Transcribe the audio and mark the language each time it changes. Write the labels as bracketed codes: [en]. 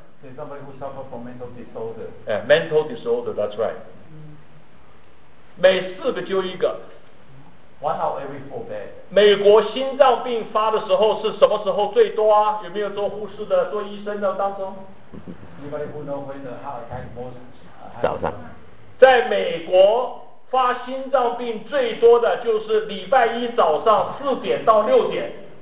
[en] there's somebody who suffer from mental disorder yeah, mental disorder that's right [zh] 每四个就一个 [en] one out every four bed [zh] 美国心脏病发的时候是什么时候最多啊有没有做护士的做医生的当中 [en] anybody who knows when the heart attack most [zh] 早上在美国发心脏病最多的就是礼拜一早上4点到6点。